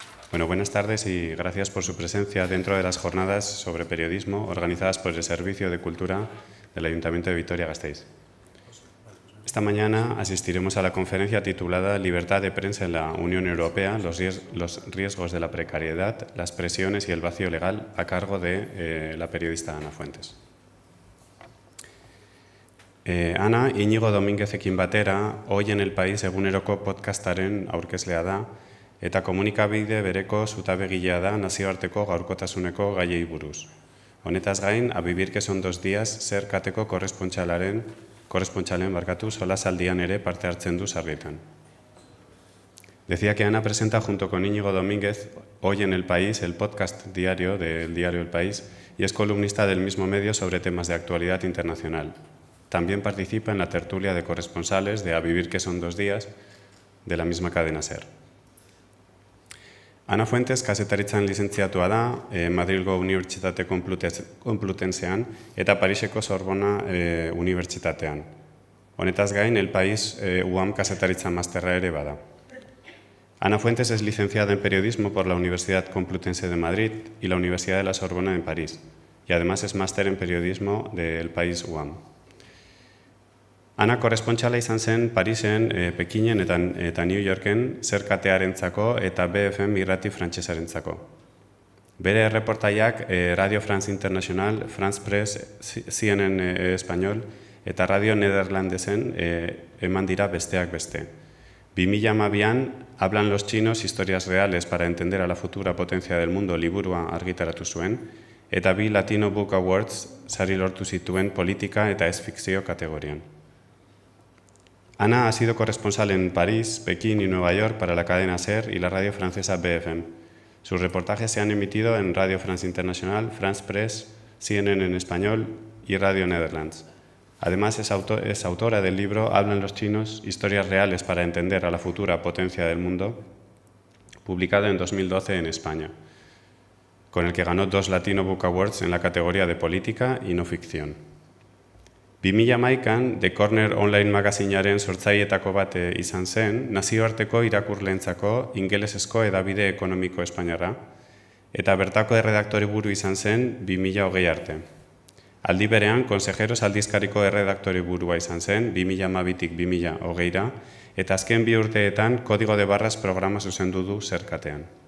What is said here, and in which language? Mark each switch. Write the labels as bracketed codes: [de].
[es] Bueno, buenas tardes y gracias por su presencia dentro de las jornadas sobre periodismo organizadas por el Servicio de Cultura del Ayuntamiento de Vitoria-Gasteiz. Esta mañana asistiremos a la conferencia titulada Libertad de prensa en la Unión Europea, los riesgos de la precariedad, las presiones y el vacío legal, a cargo de la periodista Ana Fuentes. [eu] Ana Iñigo Domínguez-ekin batera, hoy en el país eguneroko podcastaren aurkezlea da, eta komunikabide bereko zutabegilea da nazioarteko gaurkotasuneko gaiei buruz. Honetaz gain, A Vivir que son dos días zer kateko korrespontxalen barkatu solasaldian ere parte hartzen du sarritan. [es] Decía que Ana presenta junto con Íñigo Domínguez hoy en El País, el podcast diario del diario El País, y es columnista del mismo medio sobre temas de actualidad internacional. También participa en la tertulia de corresponsales de A Vivir que son dos días de la misma cadena SER. [eu] Ana Fuentes, kazetaritzan lizentziatua da, Madrilgo Unibertsitate Konplutentzean eta Pariseko Sorbona Unibertsitatean. Honetaz gain, El País UAM kazetaritzan masterra ere bada. [es] Ana Fuentes es licenciada en periodismo por la Universidad Complutense de Madrid y la Universidad de la Sorbona en París, y además es máster en periodismo de El País UAM. [eu] Ana korrespontxala izan zen Parisen, Pekinen eta New Yorken zerkatearentzako eta BFM irrati frantsesarentzako. Bere erreportaiak Radio France International, France Press, CNN Espanyol eta Radio Nederlandesen eman dira besteak beste. 2012an Hablan los chinos historias reales para entender a la futura potencia del mundo liburua argitaratu zuen eta bi Latino Book Awards sari lortu zituen politika eta ez fikzio kategorian. [es] Ana ha sido corresponsal en París, Pekín y Nueva York para la cadena SER y la radio francesa BFM. Sus reportajes se han emitido en Radio France International, France Press, CNN en Español y Radio Netherlands. Además, es autora del libro Hablan los chinos, historias reales para entender a la futura potencia del mundo, publicado en 2012 en España, con el que ganó dos Latino Book Awards en la categoría de política y no ficción. [eu] 2011an, The Corner Online magazinearen sortzaietako bate izan zen, nazioarteko irakurleentzako ingelesezko edabide ekonomiko espainiarra, eta bertako erredaktore buru izan zen 2020 arte. Aldi berean, Consejeros aldizkariko erredaktore burua izan zen 2012-tik 2020-ra, eta azken bi urteetan Código de Barras programa zuzendu du zerkatean.